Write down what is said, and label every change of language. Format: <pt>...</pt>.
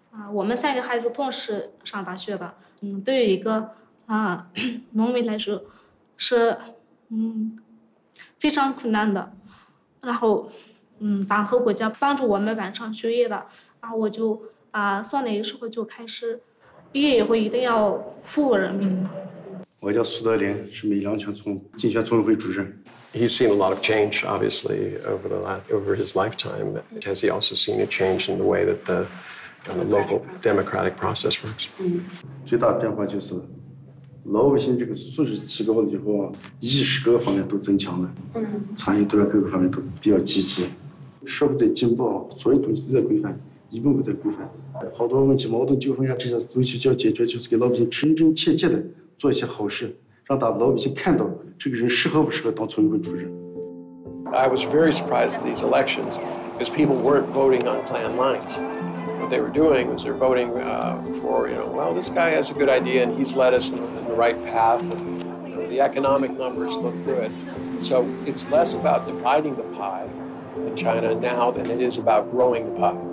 <zh>我们三个孩子同时上大学的，对于一个农民来说是非常困难的，然后党和国家帮助我们完成学业的，然后我就从那个时候就开始，毕业以后一定要服务人民。我叫苏德林，是米良泉村竞选村委会主任。</zh> <en>He's seen a lot of change, obviously, over his lifetime. Has he also seen a change in the way that the and the local democratic process works.</en> <zh>最大变化就是老百姓这个素质提高了以后啊，意识各个方面都增强了，参与度各个方面都比较积极。社会在进步，所有东西都在规范，一步步在规范。好多问题、矛盾、纠纷呀，这些东西就要解决，就是给老百姓真真切切的做一些好事，让大老百姓看到这个人适合不适合当村委会主任。</zh> <en>I was very surprised at these elections because people weren't voting on clan lines. What they were doing was they're voting for, you know, well, this guy has a good idea and he's led us in the right path. And, you know, the economic numbers look good. So it's less about dividing the pie in China now than it is about growing the pie.</en>